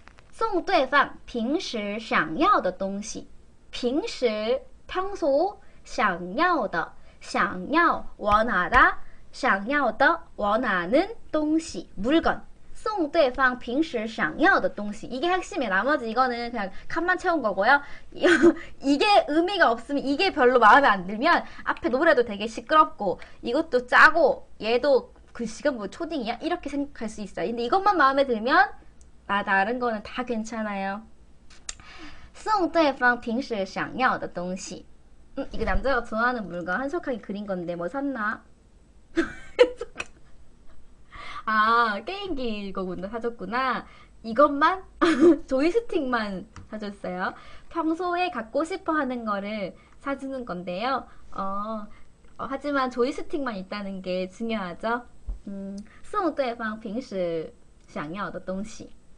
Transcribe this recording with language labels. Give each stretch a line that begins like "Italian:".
Chinese: 送对方平时想要的东西，平时평소想要的，想要원하다，想要的원하는东西물건，送对方平时想要的东西。
Korean: 이게핵심이에요. 나머지 이거는 그냥 칸만 채운 거고요. 이게 의미가 없으면, 이게 별로 마음에 안 들면 앞에 노래도 되게 시끄럽고 이것도 짜고 얘도 글씨가 뭐 초딩이야? 이렇게 생각할 수 있어요. 근데 이것만 마음에 들면 나 다른 거는 다 괜찮아요.
Chinese: 送对方平时想要的东西。
Korean: 이거 남자가 좋아하는 물건 한 속하기 그린 건데 뭐 샀나? 아, 게임기 이거구나, 사줬구나. 이것만? 조이스틱만 사줬어요. 평소에 갖고 싶어 하는 거를 사주는 건데요. 하지만 조이스틱만 있다는 게 중요하죠.
Chinese: 送对方平时想要的东西。